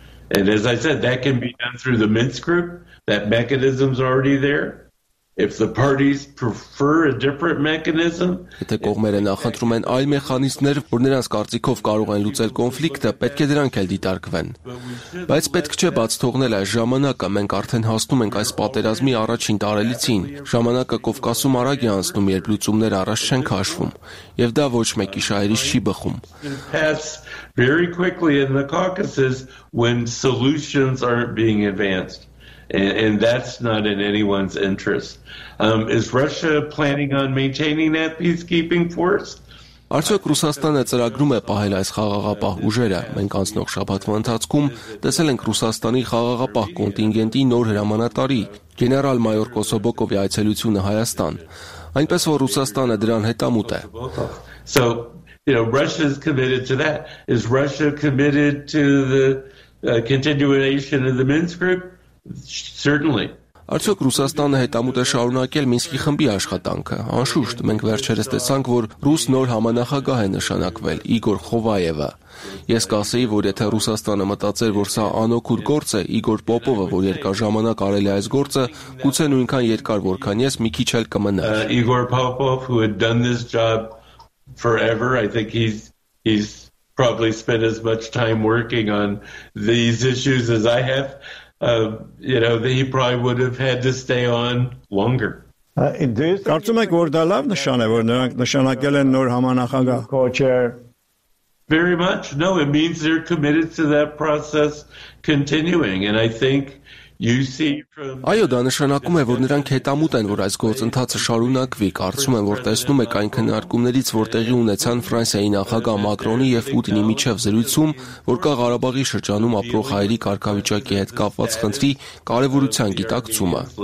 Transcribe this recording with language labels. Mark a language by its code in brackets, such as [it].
[en] And as I said, that can be done through the Minsk group, that mechanism's already there. If the parties prefer a different mechanism, [hy] եթե կողմերը նախընտրում են այլ մեխանիզմներ, որ նրանց կարծիքով կարող են լուծել կոնֆլիկտը, պետք է դրանք էլ դիտարկվեն։ Բայց պետք չէ բաց թողնել այս ժամանակը, մենք արդեն հասնում ենք այս պատերազմի առաջին տարելիցին։ Ժամանակը Կովկասում արագ է անցնում, երբ լուծումները առաջ չեն քաշվում, եւ դա ոչ մեկի շահերից չի բխում։ [en] Very quickly in the Caucasus when solutions aren't being advanced. And that's not in anyone's interest. Is Russia planning on maintaining that peacekeeping force? [hy] Արդյոք Ռուսաստանը ծրագրում է պահել այս խաղաղապահ ուժերը? Մենք անցնող շաբաթվա ընթացքում տեսել ենք Ռուսաստանի խաղաղապահ կոնտինգենտի նոր հրամանատարի, գեներալ-մայոր Կոսոբոկովի այցելությունը Հայաստան, այնպես որ Ռուսաստանը դրան հետամուտ է։ [en] So, you know, Russia is committed to that. Is Russia committed to the continuation of the Minsk group? Certainly. [hy] Արդյոք Ռուսաստանը հետամուտ է շարունակել Մինսկի խմբի աշխատանքը? Անշուշտ, մենք վերջերս տեսանք, որ ռուս նոր համանախագահ է նշանակվել, Իգոր Խովայևը։ Ես կասեի, որ եթե Ռուսաստանը մտածեր, որ սա անօգուտ գործ է, Իգոր Պոպովը, որ երկար ժամանակ արել է այս գործը, գուցե նույնքան երկար, որքան ես, մի քիչ էլ կմնա։ [en] Իգոր Պոպով, who had done this job forever, I think he's probably spent as much time working on these issues as I have. He probably would have had to stay on longer. [hy] Կարծում եք, որ դա լավ նշան է, որ նրանք նշանակել են նոր համանախագահ? [en] Very much. No, it means they're committed to that process continuing, and I think you see from... [hy] Այո, դա նշանակում է, որ նրանք հետամուտ են, որ այս գործընթացը շարունակվի։ Կարծում եմ, որ տեսնում եք այն քննարկումներից, որ տեղի ունեցան Ֆրանսիայի նախագահ Մակրոնի և Պուտինի միջև զրույցում, որ կա Ղարաբաղի շրջանում ապրող հայերի կարգավիճակի հետ կապված խնդրի կարևորության գիտակցումը։